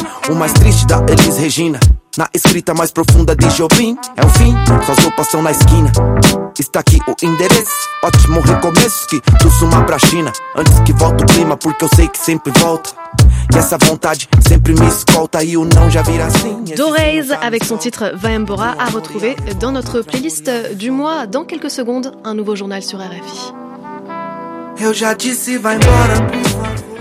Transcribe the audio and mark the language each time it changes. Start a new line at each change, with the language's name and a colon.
Portuguese: O mais triste da Elis Regina, na escrita mais profunda de Jobim. É o fim, suas roupas são na esquina. Está aqui o endereço, ótimo recomeço. Que tu suma pra China, antes que volte o clima. Porque eu sei que sempre volta. E essa vontade sempre me escolta. E o não já vira assim.
French: Doreys, avec son titre Vaembora, à retrouver dans notre playlist du mois. Dans quelques secondes, un nouveau journal sur RFI.
Portuguese: Eu já disse, vai embora, por favor.